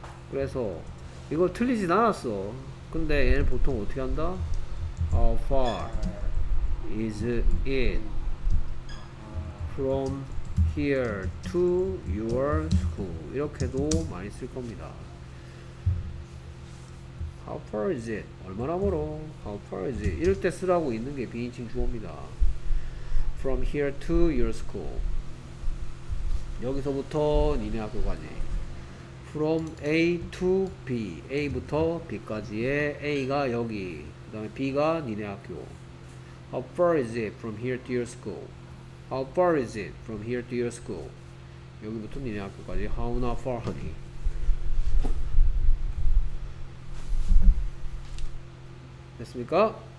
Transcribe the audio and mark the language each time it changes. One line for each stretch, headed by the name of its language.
Korean: 그래서 이거 틀리진 않았어. 근데 얘는 보통 어떻게 한다?
English: How far is it from here to your school?
Korean: 이렇게도 많이 쓸 겁니다.
English: How far is it?
Korean: 얼마나 멀어?
English: How far is it?
Korean: 이럴 때 쓰라고 있는 게 비인칭 주어입니다.
English: From here to your school.
Korean: 여기서부터 니네 학교까지.
English: From A to B.
Korean: A부터 B까지의 A가 여기. 그 다음에 B가 니네 학교.
English: How far is it from here to your school? How far is it from here to your school?
Korean: 여기부터 니네 학교까지.
English: How not far, honey?
Korean: 됐습니까?